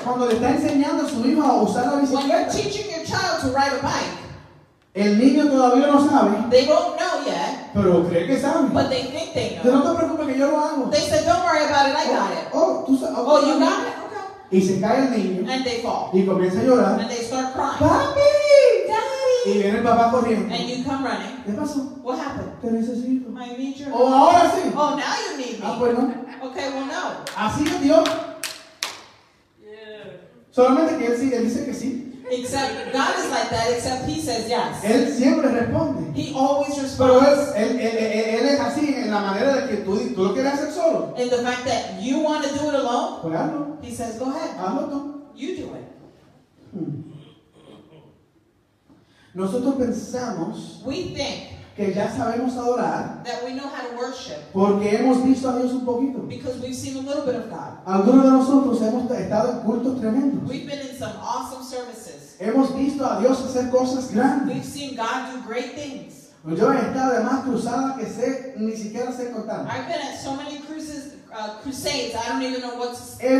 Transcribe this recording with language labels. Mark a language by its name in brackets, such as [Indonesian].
[Spanish] Cuando le está enseñando a su hijo a usar la bicicleta. [English] When you're teaching your child to ride a bike. [Spanish] El niño todavía no sabe. [English] They don't know yet. [Spanish] Pero cree que sabe. [English] But they think they know. [Spanish] No te preocupes que yo lo hago. [English] They said, don't worry about it, I got it. Oh, you got it. [Spanish] Y se cae el niño. [English] And they fall. [Spanish] Y comienza a llorar. [English] And they start crying. [Spanish] Papi, [English] daddy. [Spanish] Y viene el papá corriendo. [English] And you come running. [Spanish] ¿Qué pasó? [English] What happened? [Spanish] Te necesito. [English] I need your help. [Spanish] Oh, ahora sí. [English] Oh, now you need me. [Spanish] Ah, pues no. [English] Okay, well no. [Spanish] Así es Dios. [English] Yeah. [Spanish] Solamente que él dice que sí. [English] Except God is like that. Except he says yes. [Spanish] Él siempre responde. [English] He always responds. [Spanish] Pero él es así en la manera de que tú lo quieres hacer solo. [English] In the fact that you want to do it alone. [Spanish] Pues hazlo. [English] He says, go ahead. [Spanish] Hazlo tú. [English] You do it. [Spanish] Nosotros pensamos. [English] We think. [Spanish] Que ya sabemos adorar. [English] That we know how to worship. [Spanish] Porque hemos visto a Dios un poquito. [English] Because we've seen a little bit of God. [Spanish] Algunos de nosotros hemos estado en cultos tremendos. [English] We've been in some awesome services. [Spanish] Hemos visto a Dios hacer cosas grandes. [English] We've seen God do great things. [Spanish] Yo he estado de más cruzadas que sé, ni siquiera sé contar. [English] I've been at so many cruises. Crusades. I don't even know what to